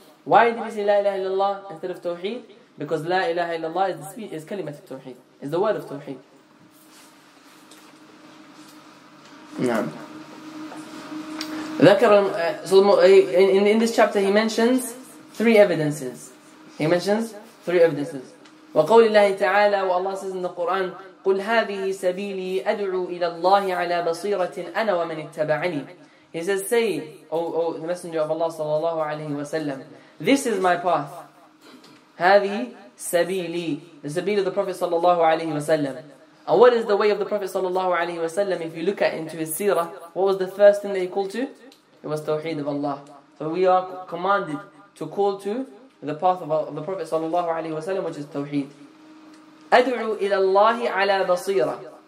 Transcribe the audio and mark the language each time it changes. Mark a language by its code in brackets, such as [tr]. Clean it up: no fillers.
[en] Why did he say La ilaha illallah instead of Tawheed? Because La ilaha illallah is the speech, is kalimat of Tawheed. Is the word of Tawheed. [ar] نعم. [en] So in this chapter, he mentions three evidences. [ar] وقول الله تعالى, Allah says in the Quran, قل هذه سبيلي أدعو إلى الله على بصيرة أنا ومن اتبعني. [en] He says, say, O the Messenger of Allah صلى الله عليه وسلم, this is my path. هذه سبيلي, the سبيل of the Prophet صلى الله عليه وسلم. And what is the way of the Prophet صلى الله عليه وسلم? If you look at into his seerah, what was the first thing that he called to? It was Tawheed of Allah. So we are commanded to call to the path of the Prophet sallallahu alaihi wasallam, which is Tawheed. [ar] أَدْعُوا إِلَى اللَّهِ عَلَى بَصِيرَةٍ.